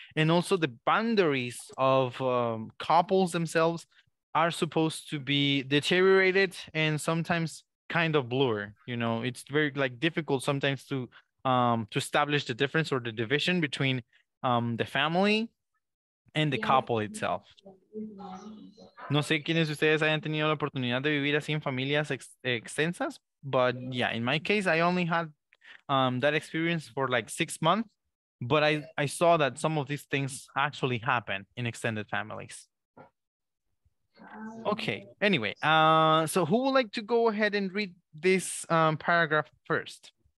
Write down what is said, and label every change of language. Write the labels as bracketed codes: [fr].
[en] And also the boundaries of couples themselves are supposed to be deteriorated and sometimes kind of blur, you know. It's very like difficult sometimes to establish the difference or the division between the family and the couple itself. [es] No sé quiénes ustedes hayan tenido la oportunidad de vivir así en familias extensas. [en] But yeah, in my case, I only had that experience for like 6 months, but I saw that some of these things actually happen in extended families. Okay, anyway, so who would like to go ahead and read this paragraph first?